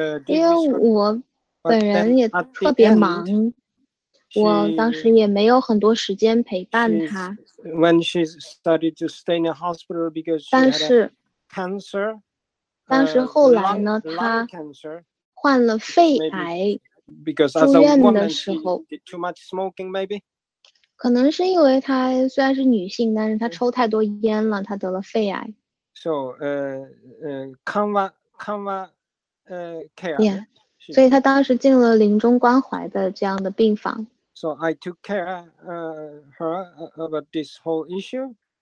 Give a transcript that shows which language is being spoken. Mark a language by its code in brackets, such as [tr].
[zh] 因为我本人也特别忙，我当时也没有很多时间陪伴他。 [en] When she started to stay in the hospital because she had cancer. [zh] 但是后来呢，她患了肺癌，住院的时候。 [en] Too much smoking, maybe. [zh] 可能是因为她虽然是女性，但是她抽太多烟了，她得了肺癌。所以他当时进了临终关怀的这样的病房。 [en] So I took care her about this whole issue.